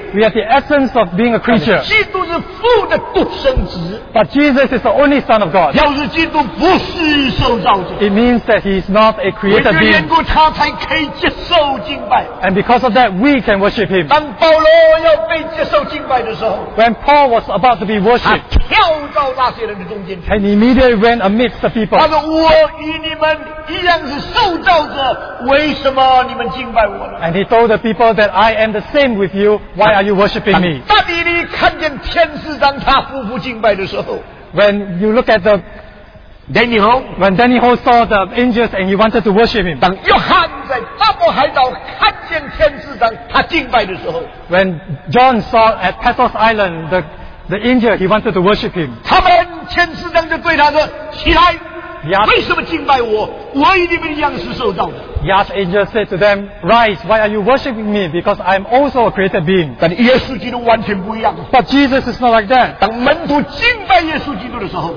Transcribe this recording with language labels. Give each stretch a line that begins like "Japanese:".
English: We have the essence of being a creature.
Chinese: 基督是父的独生子。
English: But Jesus is the only Son of God.
Chinese: 表示基督不是受造者。
English: It means that he is not a created being.
Chinese: 因为缘故他才可以接受敬拜。
English: And because of that, we can worship him.
Chinese: 当保罗要被接受敬拜的时候，
English: When Paul was about to be worshipped,
Chinese: 他跳到那些人的中间。
English: And immediately went amidst the people.
Chinese: 他说：“我与你们一样是受造者，为什么你们敬拜我呢？”
English: And he told the people that I am the same with you. Why are you worshipping me?
Chinese: 当大比利看见天使当他夫妇敬拜的时候，
English: When you look at the Daniel, when Daniel saw the angels and he wanted to worship him,
Chinese: 当约翰在撒摩海岛看见天使长他敬拜的时候，
English: when John saw at Patmos Island the angel, he wanted to worship him.
Chinese: 他们天使长就对他说：“起来，为什么敬拜我？
English: Yes, angel said to them, rise, why are you worshipping me? Because I am also a created being.
Chinese: 但耶稣基督完全不一样,
English: but Jesus is not like that.
Chinese: 当门徒敬拜耶稣基督的时候,